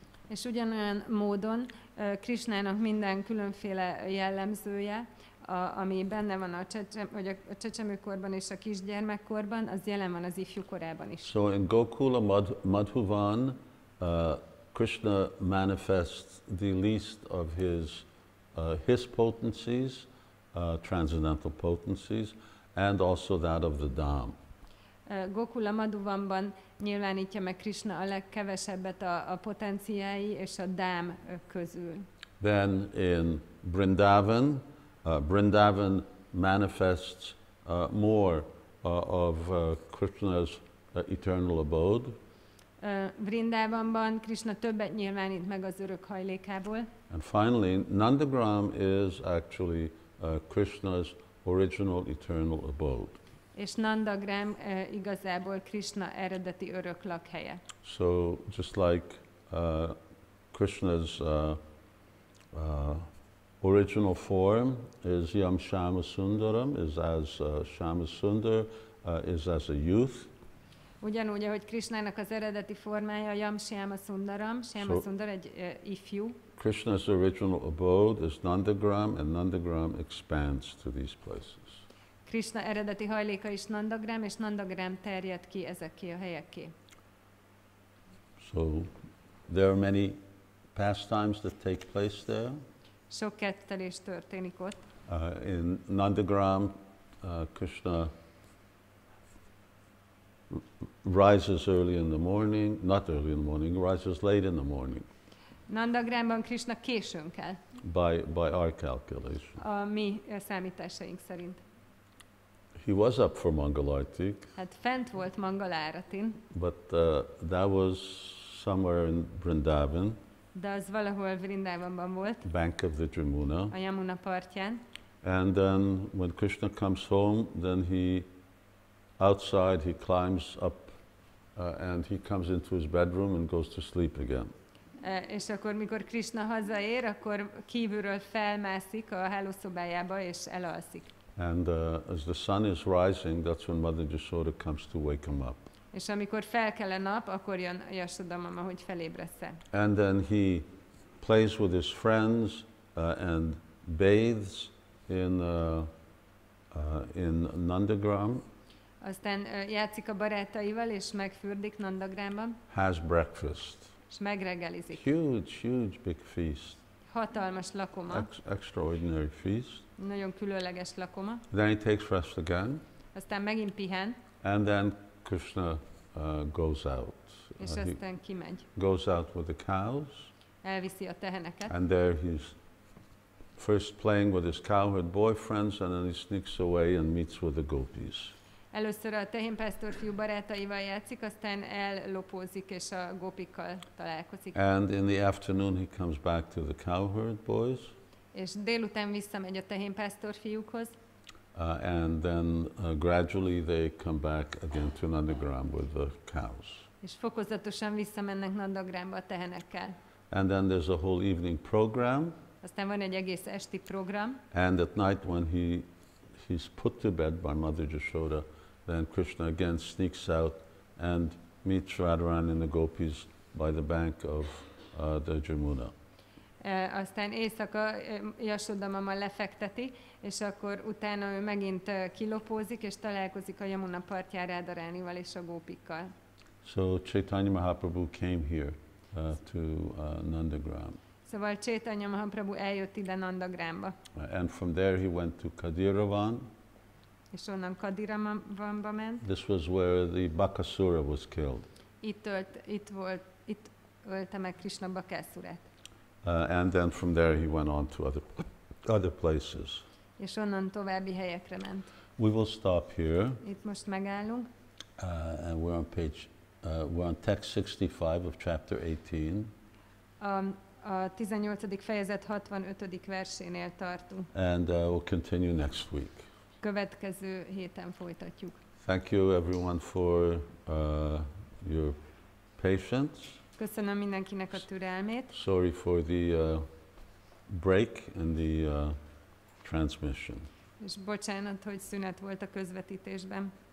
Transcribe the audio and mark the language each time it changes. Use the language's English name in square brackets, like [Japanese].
[Hungarian] És ugyanolyan módon Krishnának minden különféle jellemzője, ami benne van a csecsemőkorban és a kisgyermekkorban, az jelen van az ifjúkorában is. [English] So in Gokula Madhuvan, Krishna manifests the least of his potencies, transcendental potencies, and also that of the Dham. [Hungarian] Gokula Madhuvanban nyilvánítja meg Krishna a legkevesebbet a potenciái és a Dham közül. [English] Then in Vṛndāvana, Vṛndāvana manifests more of Krishna's eternal abode. [Hungarian] Vṛndāvanban Krishna többet nyilvánít meg az örök hajlékából. [English] And finally, Nandagram is actually Krishna's original eternal abode. [Hungarian] És Nandagram igazából Krishna eredeti örök lakhelye. [English] So just like Krishna's original form is Yam Shama Sundaram, is as Shama Sundar, is as a youth. [Hungarian] Ugyanúgy, ahogy Krishnának az eredeti formája Yam Shama Sundaram, Shama Sundar egy ifjú. [English] Krishna's original abode is Nandagram, and Nandagram expands to these places. [Hungarian] Krishna eredeti hajléka is Nandagram, és Nandagram terjed ki ezekké a helyekké. [English] So there are many pastimes that take place there. [Hungarian] Sok kettelés történik ott. [English] In Nandagram, Krishna rises early in the morning, not early in the morning, rises late in the morning. [Hungarian] Nandagramban Krishna későn kell. [English] By our calculation. [Hungarian] A mi számításaink szerint. [English] He was up for Mangalartik. [Hungarian] Hát fent volt Mangaláratin. [English] But that was somewhere in Vṛndāvana. [Hungarian] De az valahol Vṛndāvanban volt. [English] Bank of the Jamuna. [Hungarian] A Yamuna partján. [English] And then when Krishna comes home, then he climbs up and he comes into his bedroom and goes to sleep again. [Hungarian] És akkor, mikor Krishna hazaér, akkor kívülről felmászik a hálószobájába és elalszik. [English] And as the sun is rising, that's when Mother Yashoda comes to wake him up. [Hungarian] És amikor felkel a nap, akkor jön Yashoda mama, hogy felébressze. [English] And then he plays with his friends and bathes in Nandagram. [Hungarian] Aztán játszik a barátaival és megfürdik Nandagrámban. [English] Has breakfast. [Hungarian] És megreggelizik. [English] Huge, huge big feast. [Hungarian] Hatalmas lakoma. [English] Extraordinary feast. [Hungarian] Nagyon különleges lakoma. [English] Then he takes rest again. [Hungarian] Aztán megint pihen. [English] And then Krishna goes out. [Hungarian] És aztán kimegy. [English] Goes out with the cows. [Hungarian] Elviszi a teheneket. [English] And there he's first playing with his cowherd boyfriends, and then he sneaks away and meets with the gopis. [Hungarian] Először a tehénpásztor fiú barátaival játszik, aztán ellopózik és a gopikkal találkozik. [English] And in the afternoon he comes back to the cowherd boys. [Hungarian] És délután visszamegy a tehénpásztor fiúkhoz. [English] And then gradually they come back again to Nandagram with the cows. [Hungarian] És fokozatosan visszamennek Nandagramba a tehenekkel. [English] And then there's a whole evening program. [Hungarian] Aztán van egy egész esti program. [English] And at night when he's put to bed by Mother Yashoda, then Krishna again sneaks out and meets Radharani and the gopis by the bank of the Jamuna. [Hungarian] Aztán éjszaka Yashoda mama lefekteti, és akkor utána ő megint kilopózik, és találkozik a Yamuna partján Radharanival és a gópikkal. [English] So Chaitanya Mahaprabhu came here to Nandagram. [Hungarian] Szóval Caitanya Mahaprabhu eljött ide Nandagramba. [English] And from there he went to Kadiravan. [Hungarian] És onnan Kadiravanba ment. [English] This was where the Bakasura was killed. [Hungarian] Itt ölte meg Krishna Bakasurát. [English] And then from there he went on to other places. [Hungarian] És onnan további helyekre ment. [English] We will stop here. [Hungarian] Itt most megállunk. [English] And we're on page, we're on text 65 of chapter 18. [Hungarian] A 18. fejezet 65. versénél tartunk. [English] And we'll continue next week. [Hungarian] Következő héten folytatjuk. [English] Thank you everyone for your patience. [Hungarian] Köszönöm mindenkinek a türelmét. [English] Sorry for the break in the transmission. [Hungarian] És bocsánat, hogy szünet volt a közvetítésben.